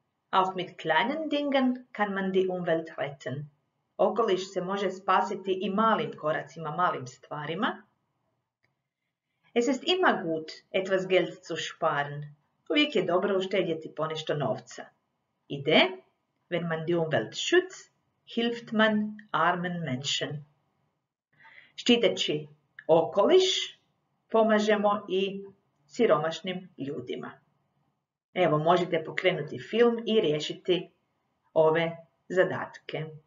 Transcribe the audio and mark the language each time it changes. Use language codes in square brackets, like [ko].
[de] Auch mit kleinen Dingen kann man die Umwelt retten. [hr] Okoliš se može spasiti i malim koracima, malim stvarima. [de] Es ist immer gut, etwas Geld zu sparen. [hr] Uvijek je dobro uštedjeti ponešto novca. [de] Ide, wenn man die Umwelt schützt, hilft man armen Menschen. [hr] Štiteći okoliš, pomažemo i siromašnim ljudima. Evo, možete pokrenuti film i riješiti ove zadatke.